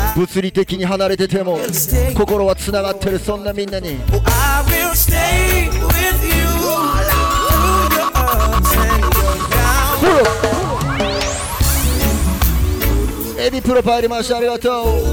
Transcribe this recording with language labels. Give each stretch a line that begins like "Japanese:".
Japanese: 物理的に離れてても心はつながってる。そんなみんなに。
English: Oh, I will stay with you through your ups and your downs.
Japanese: エビプロパイリマッシュ、ありがとう。